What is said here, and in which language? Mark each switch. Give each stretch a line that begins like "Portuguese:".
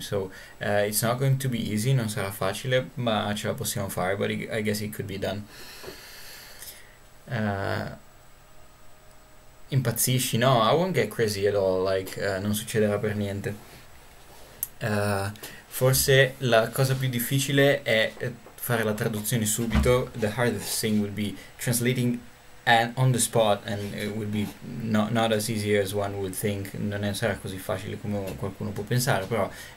English: So, it's not going to be easy,
Italian: non sarà facile, ma ce la possiamo fare,
English: but I guess it could be done.
Italian: Impazzisci?
English: No, I won't get crazy at all, like,
Italian: non succederà per niente. Forse la cosa più difficile è fare la traduzione subito.
English: The hardest thing would be translating on the spot, and it would be not as easy as one would think.
Italian: Non sarà così facile come qualcuno può pensare, però.